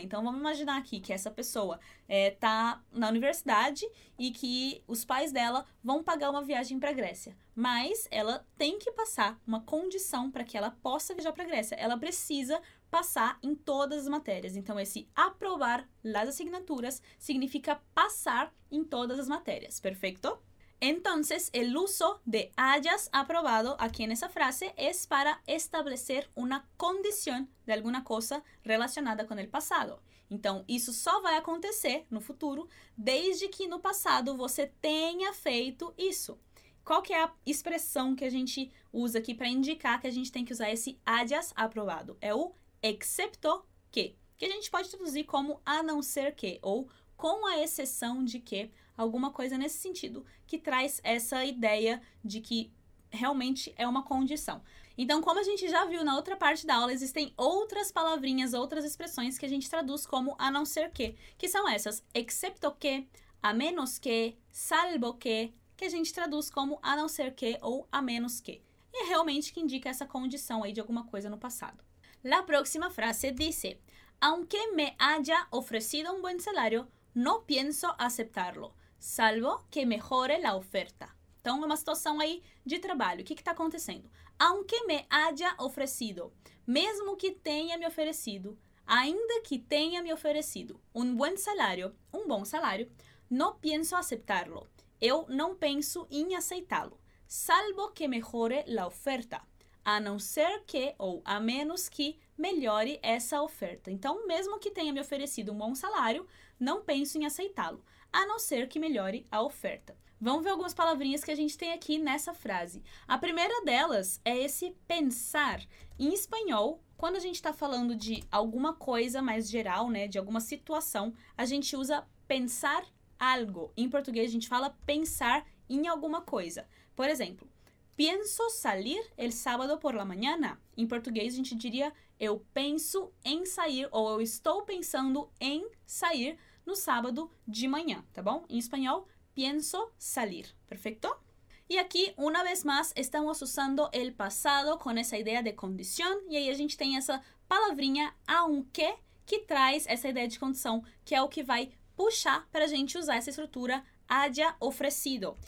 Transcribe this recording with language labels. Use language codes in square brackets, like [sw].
[pt] Então, vamos imaginar aqui que essa pessoa está na universidade e que os pais dela vão pagar uma viagem para a Grécia. Mas ela tem que passar uma condição para que ela possa viajar para a Grécia. Ela precisa passar em todas as matérias. Então, esse [es] aprovar las assignaturas [pt] significa passar em todas as matérias. Perfeito? [es] Entonces, el uso de hayas aprobado aquí en esa frase es para establecer una condición de alguna cosa relacionada con el pasado. [pt] Então, isso só vai acontecer no futuro desde que no passado você tenha feito isso. Qual que é a expressão que a gente usa aqui para indicar que a gente tem que usar esse hayas aprobado? É o excepto que a gente pode traduzir como a não ser que, ou com a exceção de que, alguma coisa nesse sentido que traz essa ideia de que realmente é uma condição. Então, como a gente já viu na outra parte da aula, existem outras palavrinhas, outras expressões que a gente traduz como a não ser que são essas, [es] excepto que, a menos que, salvo que [pt] a gente traduz como a não ser que ou a menos que. E é realmente que indica essa condição aí de alguma coisa no passado. [es] La próxima frase dice, aunque me haya ofrecido un buen salario, no pienso aceptarlo, salvo que mejore la oferta. [pt] Então, é uma situação aí de trabalho. O que está acontecendo? [es] Aunque me haya ofrecido, [pt] mesmo que tenha me oferecido, ainda que tenha me oferecido [es] un buen salario, [pt] um bom salário, [es] no pienso aceptarlo. [pt] Eu não penso em aceitá-lo, [es] salvo que mejore la oferta. [pt] A não ser que, ou a menos que, melhore essa oferta. Então, mesmo que tenha me oferecido um bom salário, não penso em aceitá-lo, a não ser que melhore a oferta. Vamos ver algumas palavrinhas que a gente tem aqui nessa frase. A primeira delas é esse pensar. Em espanhol, quando a gente está falando de alguma coisa mais geral, né, de alguma situação, a gente usa pensar algo. Em português, a gente fala pensar em alguma coisa. [es] Por exemplo, pienso salir el sábado por la mañana. [pt] Em português, a gente diria, eu penso em sair, ou eu estou pensando em sair no sábado de manhã, tá bom? Em espanhol, [es] pienso salir, perfecto? [pt] E aqui, uma vez mais, estamos usando el pasado com essa ideia de condición, e aí a gente tem essa palavrinha, aunque, que traz essa ideia de condição, que é o que vai puxar para a gente usar essa estrutura, haya ofrecido.